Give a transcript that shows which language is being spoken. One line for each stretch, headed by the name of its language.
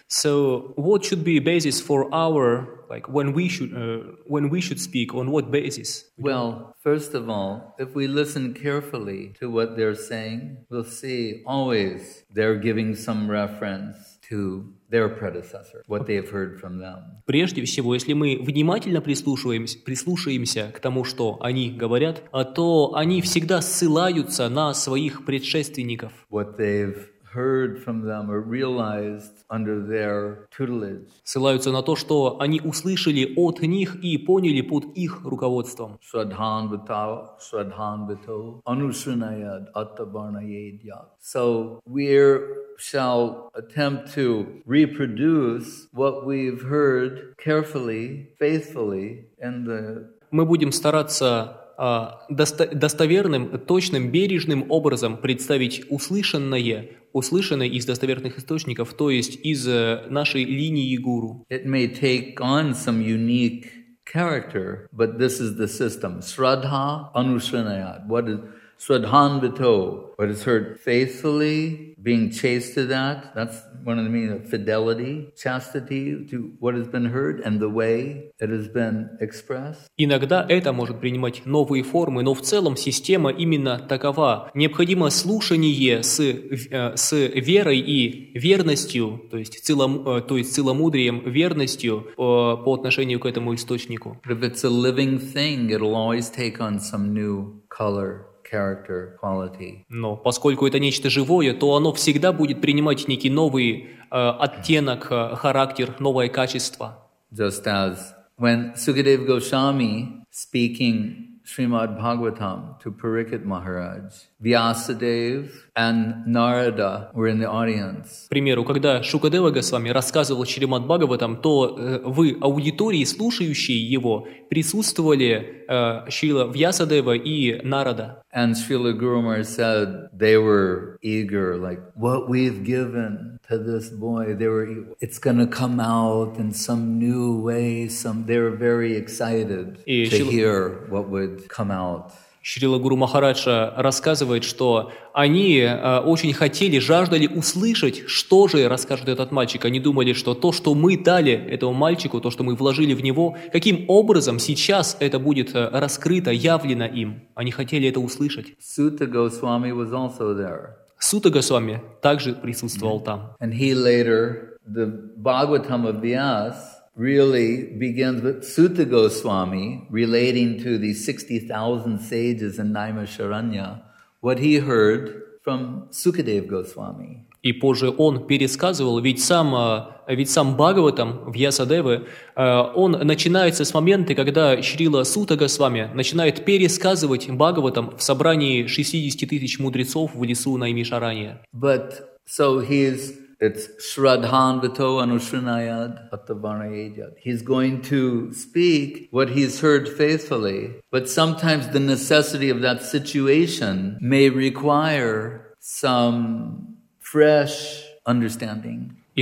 English: So, what should be a basis for our, like, when we should speak, on what basis? Well, first of all, if we listen carefully to what they're saying, we'll see always they're giving some reference to their predecessor, what they have heard from them.
Russian: Прежде всего, если мы внимательно прислушаемся к тому, что они говорят, то они всегда ссылаются на своих предшественников.
English: What they've heard from them or realized under their tutelage.
Russian: Ссылаются на то, что они услышали от них и поняли под их руководством.
Sanskrit: Свадханбитау, анусунаяд, аттабарнаедьяд.
English: So we're shall attempt to reproduce what we've heard carefully, faithfully in the...
Russian: Мы будем стараться достоверным, точным, бережным образом представить услышанное из достоверных источников, то есть из нашей линии гуру.
English: It may take on some unique character, but this is the system.
Sanskrit: Shraddha Anushrinayat.
English: What is...
Sanskrit: Swadhan Vito,
English: what is heard faithfully, being chaste to that, that's one of the meaning of fidelity, chastity to what has been heard and the way it has been expressed.
Russian: Иногда это может принимать новые формы, но в целом система именно такова. Необходимо слушание с верой и верностью, то есть целомудрием, верностью по отношению к этому источнику.
English: But if it's a living thing, it'll always take on some new color. Character, quality.
Russian: Но поскольку это нечто живое, то оно всегда будет принимать некий новый оттенок, характер, новое качество.
English: Just as when Sukadeva Goswami speaking Srimad Bhagavatam to Parikshit Maharaj, Vyasadev and Narada were in the audience.
Russian: К примеру, когда Шукадева Госвами рассказывал Шримад Бхагаватам, то в аудитории, слушающие его, присутствовали Шрила Вьясадева и Нарада.
English: And Srila Guru Maharaj said they were eager, like what we've given to this boy, it's gonna come out in some new way, they were very excited to hear what would come out.
Russian: Шрила Гуру Махараджа рассказывает, что они очень хотели, жаждали услышать, что же расскажет этот мальчик. Они думали, что то, что мы дали этому мальчику, то, что мы вложили в него, каким образом сейчас это будет раскрыто, явлено им. Они хотели это услышать.
English: Сута Госвами was also there.
Russian: Сута Госвами также присутствовал там.
English: And he later, the Bhagavatam of Vyas, really begins with Suta Goswami relating to the 60,000 sages in Naimasharanya, what he heard from Sukadeva Goswami.
Russian: И позже он пересказывал, ведь сам Бхагаватам Вьясадевы, он начинается с момента, когда Шрила Сута Госвами начинает пересказывать Бхагаватам в собрании 60 тысяч мудрецов в лесу Наймишаранья.
English: But so he's It's
Sanskrit: Shraddhan Vito Anushrinayad Attavarnayayad.
English: He's going to speak what he's heard faithfully, but sometimes the necessity of that situation may require some fresh understanding.